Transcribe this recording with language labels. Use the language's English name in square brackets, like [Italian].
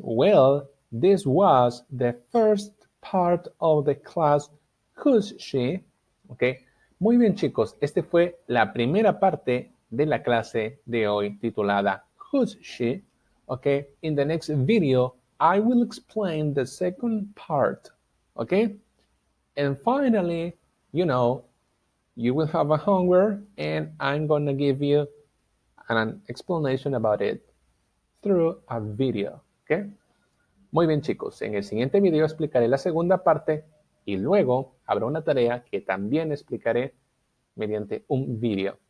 [English] Well, this was the first part of the class. Who's she? Okay. [Spanish] Muy bien, chicos. Esta fue la primera parte de la clase de hoy titulada Who's She? [English] Okay. In the next video, I will explain the second part. Okay. And finally, you know, you will have a homework and I'm going to give you an explanation about it through a video. [Spanish] Okay. Muy bien, chicos. En el siguiente video explicaré la segunda parte y luego habrá una tarea que también explicaré mediante un video.